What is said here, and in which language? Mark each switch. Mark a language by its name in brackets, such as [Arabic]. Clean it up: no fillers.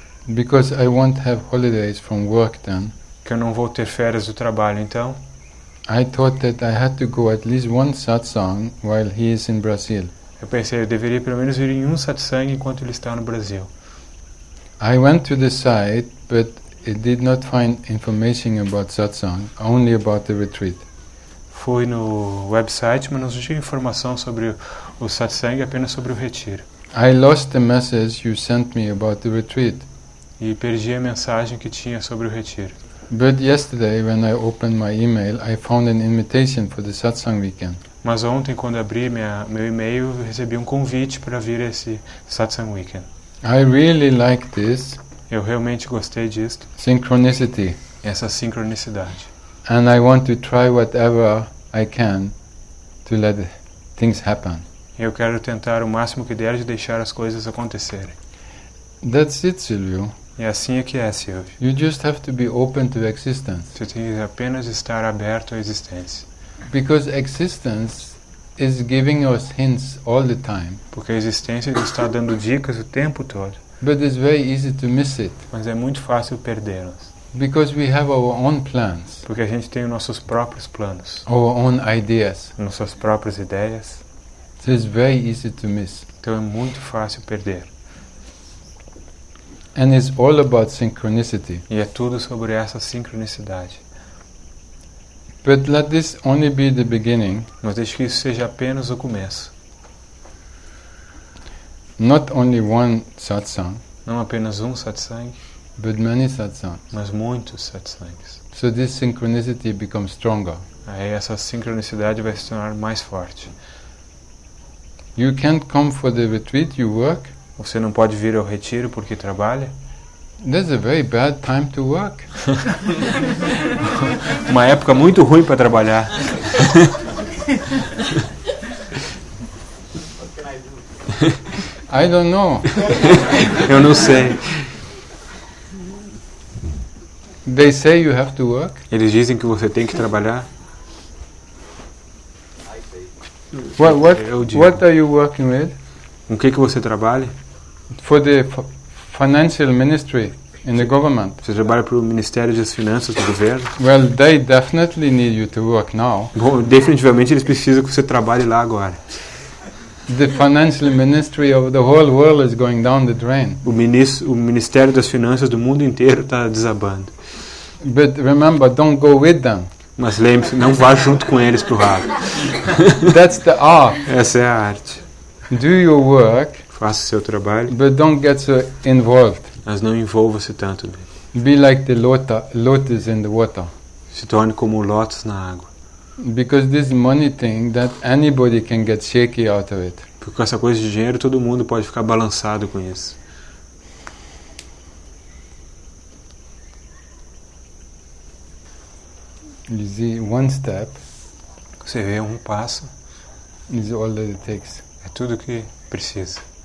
[English] Because I won't have holidays from work then. [Portuguese] Que eu não vou ter férias do trabalho então. [English] I thought that I had to go at least one satsang while he is in Brazil. [Portuguese] Eu pensei eu deveria pelo menos ir em um satsang enquanto ele está no Brasil. [English] I went to the site, but it did not find information about satsang, only about the retreat. [Portuguese] Fui no website, mas não tinha informação sobre o satsang, apenas sobre o retiro. [English] I lost the message you sent me about the retreat. [Portuguese] E perdi a mensagem que tinha sobre o retiro. [English] But yesterday when I opened my email, I found an invitation for the satsang weekend. [Portuguese] Mas ontem quando abri meu e-mail, recebi um convite para vir esse satsang weekend. [English] I really like this. [Portuguese] Eu realmente gostei disto. [English] Synchronicity. [Portuguese] Essa sincronicidade. [English] And I want to try whatever I can to let things happen. [Portuguese] Eu quero tentar o máximo que der de deixar as coisas acontecerem. [English] That's it, Silvio. [Portuguese] É assim que é, Silvio. [English] You just have to be open to existence. [Portuguese] Você tem que apenas estar aberto à existência. [English] Because existence is giving us hints all the time. [Portuguese] Porque a existência está dando dicas o tempo todo. [English] But it's very easy to miss it. [Portuguese] Mas é muito fácil perdê-las. [English] Because we have our own plans. [Portuguese] Porque a gente tem nossos próprios planos. [English] Our own ideas. [Portuguese] Nossas próprias ideias. [English] So it's very easy to miss. [Portuguese] Então é muito fácil perder. [English] And it's all about synchronicity. [Portuguese] E é tudo sobre essa sincronicidade. [English] But let this only be the beginning. [Portuguese] Mas deixe que isso seja apenas o começo. [English] Not only one satsang. [Portuguese] Não apenas um satsang. [English] But many satsangs. [Portuguese] Mas muitos satsangs. [English] So this synchronicity becomes stronger. [Portuguese] Aí essa sincronicidade vai se tornar mais forte. [English] You can't come for the retreat, you work. [Portuguese] Você não pode vir ao retiro porque trabalha? [English] That's a very bad time to work. [Portuguese] Uma época muito ruim para trabalhar. [English] I don't know. [Portuguese] Eu não sei. [English] They say you have to work. [Portuguese] Eles dizem que você tem que trabalhar. [English] What are you working with? [Portuguese] Com que você trabalha? [English] For the financial ministry in the government. [Portuguese] Você trabalha para o Ministério das Finanças do governo? [English] Well, they definitely need you to work now. [Portuguese] Bom, definitivamente eles precisam que você trabalhe lá agora. [English] The financial ministry of the whole world is going down the drain. [Portuguese] O Ministério das Finanças do mundo inteiro está desabando. [English] But remember, don't go with them. [Portuguese] Mas lembre-se, não vá junto com eles pro ralo. [English] That's the art. [Portuguese] Essa é a arte. [English] Do your work. [Portuguese] Faça o seu trabalho. [English] But don't get so involved. [Portuguese] mas não envolva-se tanto nele. [English] Be like the lotus in the water. [Portuguese] Se torne como o lótus na água. [English] Because this money thing that anybody can get shaky out of it. [Portuguese] Porque essa coisa de dinheiro todo mundo pode ficar balançado com isso. [English] You see, one step. [Portuguese] Você vê um passo. [English] Is all that it takes. [Portuguese] É tudo que precisa.